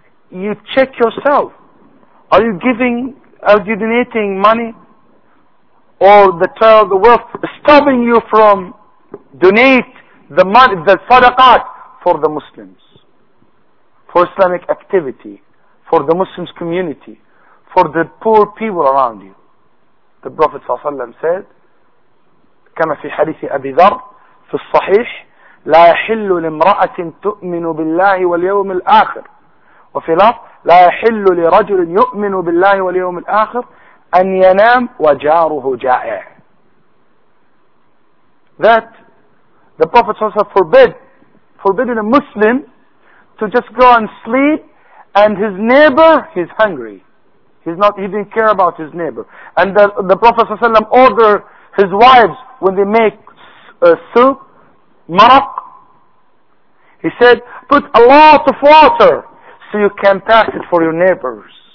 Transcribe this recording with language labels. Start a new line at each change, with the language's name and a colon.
English: You check yourself. Are you giving, are you donating money? Or the trail of the wealth stopping you from donate the money, the sadaqat for the Muslims, for Islamic activity, for the Muslims community, for the poor people around you. The Prophet
Arabic: صلى الله عليه وسلم said, كما في حديث أبي ذر في الصحيح لا يحل لامرأة تؤمن بالله واليوم الآخر وفي لفظ لا يحل لرجل يؤمن بالله واليوم الآخر أن ينام وجاره جائع.
English: That the Prophet also forbidden a Muslim to just go and sleep and his neighbor, he's hungry. He didn't care about his neighbor. And the Prophet ordered his wives when they make soup, maraq, he said, put a lot of water so you can pass it for your neighbors.